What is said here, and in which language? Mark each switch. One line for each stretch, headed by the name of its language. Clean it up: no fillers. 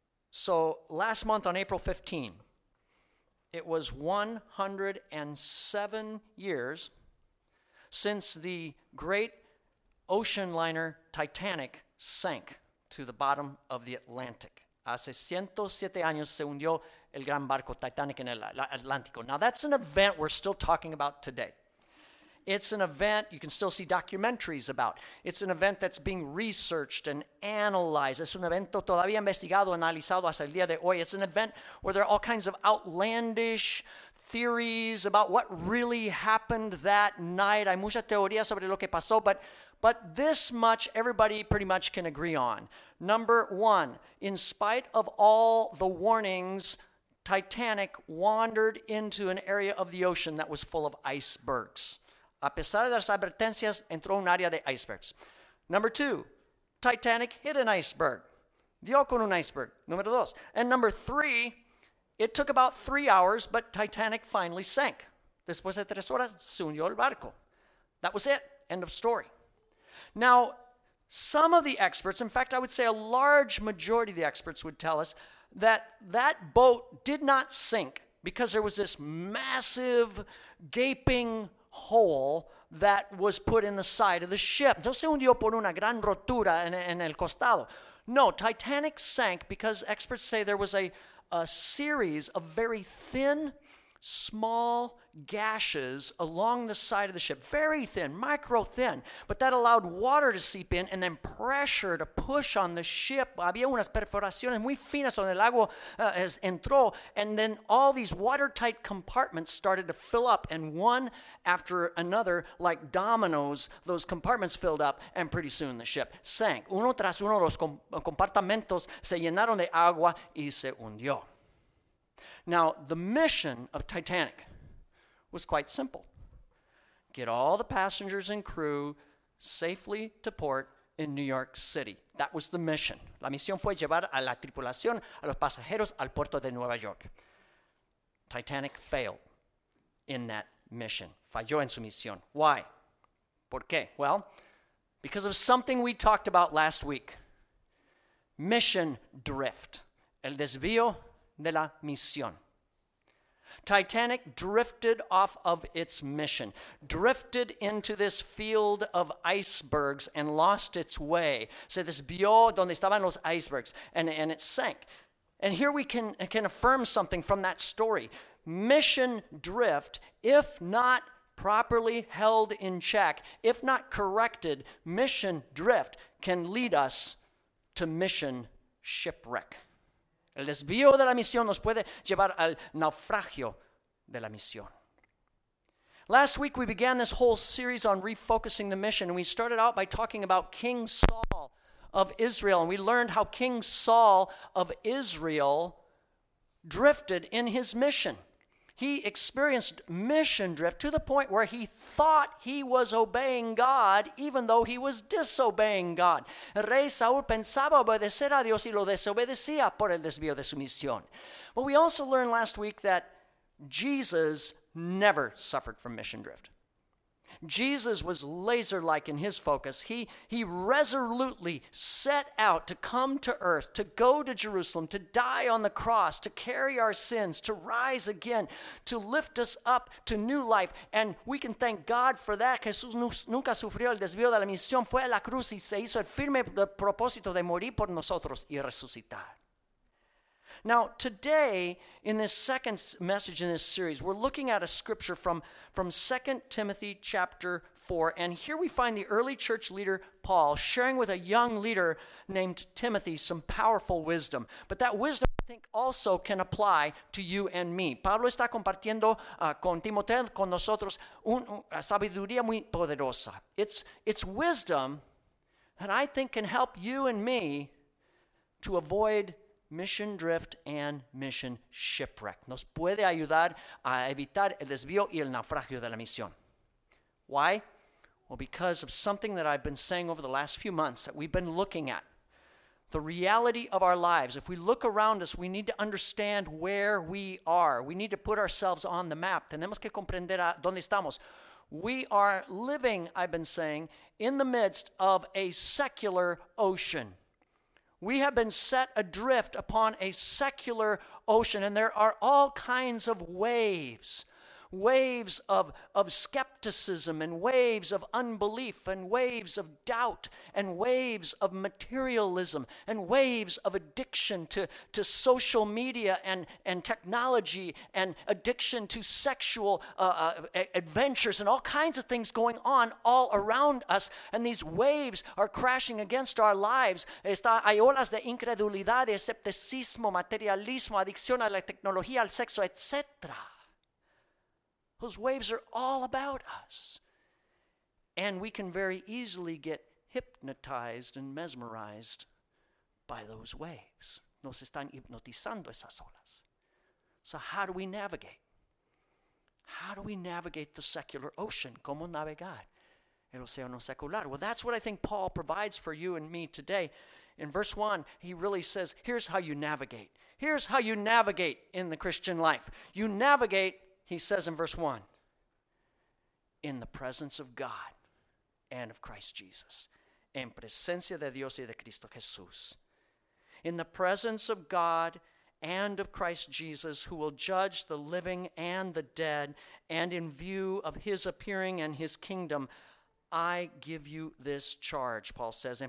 English: So last month on April 15, it was 107 years since the great ocean liner Titanic sank to the bottom of the Atlantic.
Spanish: Hace 107 años se hundió el gran barco Titanic en el Atlántico.
English: Now that's an event we're still talking about today. It's an event you can still see documentaries about. It's an event that's being researched and analyzed.
Spanish: Es un evento todavía investigado, analizado hasta el día de hoy.
English: It's an event where there are all kinds of outlandish theories about what really happened that night.
Spanish: Hay mucha teoría sobre lo que pasó,
English: but this much everybody pretty much can agree on. Number one, in spite of all the warnings, Titanic wandered into an area of the ocean that was full of icebergs.
Spanish: A pesar de las advertencias, entró un área de icebergs.
English: Number two, Titanic hit an iceberg.
Spanish: Dio con un iceberg. Número dos.
English: And number three, it took about 3 hours, but Titanic finally sank.
Spanish: Después de tres horas, se hundió el barco.
English: That was it. End of story. Now, some of the experts, in fact, I would say a large majority of the experts would tell us that that boat did not sink because there was this massive gaping hole that was put in the side of the ship.
Spanish: No se hundió por una gran rotura en el costado.
English: No, Titanic sank because experts say there was a series of very thin, small gashes along the side of the ship. Very thin, micro thin. But that allowed water to seep in and then pressure to push on the ship.
Spanish: Había unas perforaciones muy finas donde el agua entró.
English: And then all these watertight compartments started to fill up. And one after another, like dominoes, those compartments filled up. And pretty soon the ship sank.
Spanish: Uno tras uno, los compartimentos se llenaron de agua y se hundió.
English: Now, the mission of Titanic was quite simple. Get all the passengers and crew safely to port in New York City. That was the mission.
Spanish: La misión fue llevar a la tripulación, a los pasajeros, al puerto de Nueva York.
English: Titanic failed in that mission.
Spanish: Falló en su misión.
English: Why?
Spanish: ¿Por qué?
English: Well, because of something we talked about last week. Mission drift.
Spanish: El desvío de la misión.
English: Titanic drifted off of its mission, drifted into this field of icebergs and lost its way.
Spanish: Se desvió donde estaban los icebergs
English: and it sank. And here we can affirm something from that story. Mission drift, if not properly held in check, if not corrected, mission drift can lead us to mission shipwreck.
Spanish: El desvío de la misión nos puede llevar al naufragio de la misión.
English: Last week, we began this whole series on refocusing the mission. And we started out by talking about King Saul of Israel. And we learned how King Saul of Israel drifted in his mission. He experienced mission drift to the point where he thought he was obeying God, even though he was disobeying God.
Spanish: El rey Saúl pensaba obedecer a Dios y lo desobedecía por el desvío de su misión.
English: But we also learned last week that Jesus never suffered from mission drift. Jesus was laser-like in his focus. He resolutely set out to come to earth, to go to Jerusalem, to die on the cross, to carry our sins, to rise again, to lift us up to new life. And we can thank God for that.
Spanish: Jesús nunca sufrió el desvío de la misión. Fue a la cruz y se hizo el firme propósito de morir por nosotros y resucitar.
English: Now, today, in this second message in this series, we're looking at a scripture from 2 Timothy chapter 4. And here we find the early church leader, Paul, sharing with a young leader named Timothy some powerful wisdom. But that wisdom, I think, also can apply to you and me.
Spanish: Pablo está compartiendo con Timoteo, con nosotros, una sabiduría muy poderosa.
English: It's wisdom that I think can help you and me to avoid mission drift and mission shipwreck.
Spanish: Nos puede ayudar a evitar el desvío y el naufragio de la misión.
English: Why? Well, because of something that I've been saying over the last few months that we've been looking at. The reality of our lives. If we look around us, we need to understand where we are. We need to put ourselves on the map.
Spanish: Tenemos que comprender a dónde estamos.
English: We are living, I've been saying, in the midst of a secular ocean. We have been set adrift upon a secular ocean, and there are all kinds of waves. Waves of skepticism, and waves of unbelief, and waves of doubt, and waves of materialism, and waves of addiction to social media and technology, and addiction to sexual adventures, and all kinds of things going on all around us. And these waves are crashing against our lives.
Spanish: Hay olas de incredulidad, escepticismo, materialismo, adicción a la tecnología, al sexo, etc.
English: Those waves are all about us. And we can very easily get hypnotized and mesmerized by those waves.
Spanish: Nos están hipnotizando esas olas.
English: So how do we navigate? How do we navigate the secular ocean?
Spanish: ¿Cómo navegar el océano secular?
English: Well, that's what I think Paul provides for you and me today. In verse 1, he really says, here's how you navigate. Here's how you navigate in the Christian life. You navigate, he says in verse 1, in the presence of God and of Christ Jesus.
Spanish: En presencia de Dios y de Cristo Jesús.
English: In the presence of God and of Christ Jesus, who will judge the living and the dead, and in view of his appearing and his kingdom, I give you this charge, Paul says.